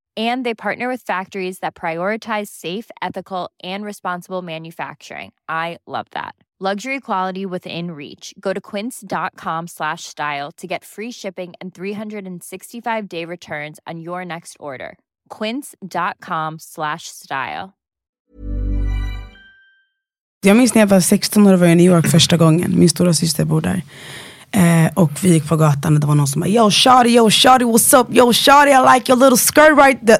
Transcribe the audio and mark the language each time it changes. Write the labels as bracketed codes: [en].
[en] And they partner with factories that prioritize safe, ethical, and responsible manufacturing. I love that. Luxury quality within reach. Go to quince.com/style to get free shipping and 365-day returns on your next order. quince.com/style. [sv] Jag minns när jag var 16 och var i New York första gången. Min stora syster bor där. Och vi gick på gatan och det var någon som bara, [en] yo shawty, what's up? Yo shawty, I like your little skirt right there.